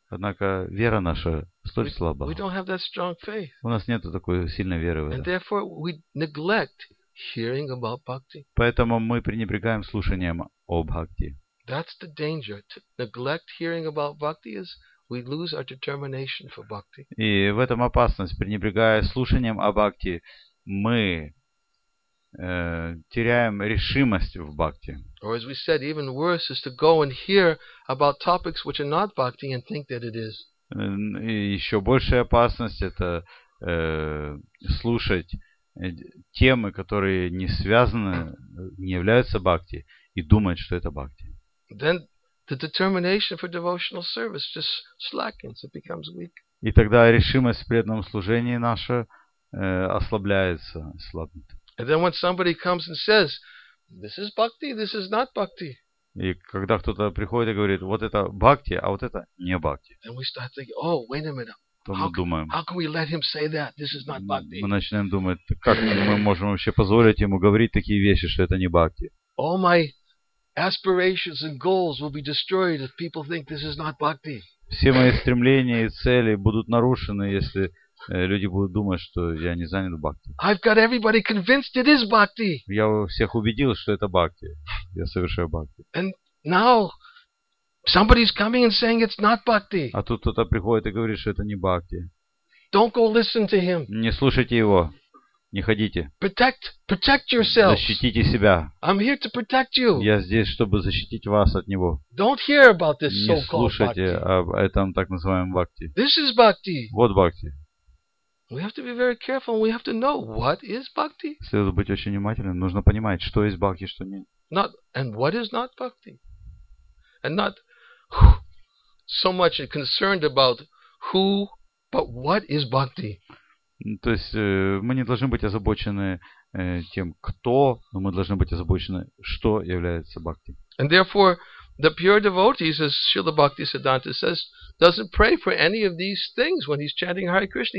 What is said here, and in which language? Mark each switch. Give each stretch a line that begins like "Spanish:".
Russian: Однако вера наша столь слаба.
English: We don't have that strong faith.
Russian: У нас нет такой сильной веры в это.
English: And therefore we neglect hearing about bhakti.
Russian: Поэтому мы пренебрегаем слушанием о бхакти.
English: That's the danger. To neglect hearing about bhakti is we lose our determination for bhakti.
Russian: И в этом опасность. Пренебрегая слушанием о бхакти, мы теряем решимость в бхакти.
English: Or as we said, even worse is to go and hear about topics which are not bhakti and think that it is.
Russian: И еще большая опасность это слушать темы, которые не связаны, не являются бхакти, и думать, что это бхакти.
English: Then the determination for devotional service just slackens, it becomes weak.
Russian: И тогда решимость в преданном служении наше ослабляется, слабнет.
English: And then when somebody comes and says, this is bhakti, this is not bhakti.
Russian: И когда кто-то приходит и говорит, вот это бхакти, а вот это не бхакти.
English: Then we start thinking, oh, wait a minute. How can we let him say that? This is not bhakti.
Russian: Мы начинаем думать, как мы можем вообще позволить ему говорить такие вещи, что это не бхакти.
English: All my aspirations and goals will be destroyed if people think this is not bhakti.
Russian: Все мои стремления и цели будут нарушены, если люди будут думать, что я не занят бхакти.
English: I've got everybody convinced it is bhakti.
Russian: Я всех убедил, что это бхакти. Я совершаю бхакти.
English: And now somebody's coming and saying it's not bhakti.
Russian: А тут кто-то приходит и говорит, что это не бхакти.
English: Don't go listen to him.
Russian: Не слушайте его. Не ходите.
English: Protect yourself.
Russian: Защитите себя.
English: I'm here to protect you.
Russian: Я здесь, чтобы защитить вас от него.
English: Don't hear about this so-called bhakti.
Russian: Не слушайте об этом так называемом бхакти.
English: This is bhakti.
Russian: Вот бхакти.
English: We have to be very careful and we have to know what is bhakti.
Russian: Следует быть очень внимательным. Нужно понимать, что есть бхакти, что нет.
English: Not and what is not bhakti. And not so much concerned about who, but what is bhakti.
Russian: То есть мы не должны быть озабочены тем, кто, но мы должны быть озабочены, что является бхакти.
English: And therefore, the pure devotees, as Srila Bhaktisiddhanta says, doesn't pray for any of these things when he's chanting Hare Krishna.